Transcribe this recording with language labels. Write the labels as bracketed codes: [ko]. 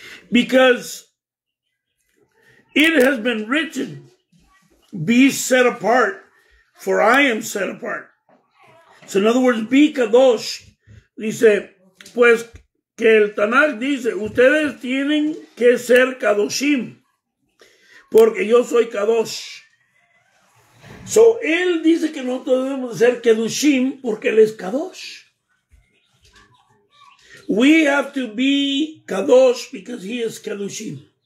[en] Because it has been written, be set apart, for I am set apart. So in other words, be kadosh. [es] Dice, pues que el Tanakh dice, ustedes tienen que ser kadoshim, porque yo soy kadosh. So él dice que nosotros debemos ser kedushim, porque él es kadosh. [en] We have to be kadosh because he is kedushim.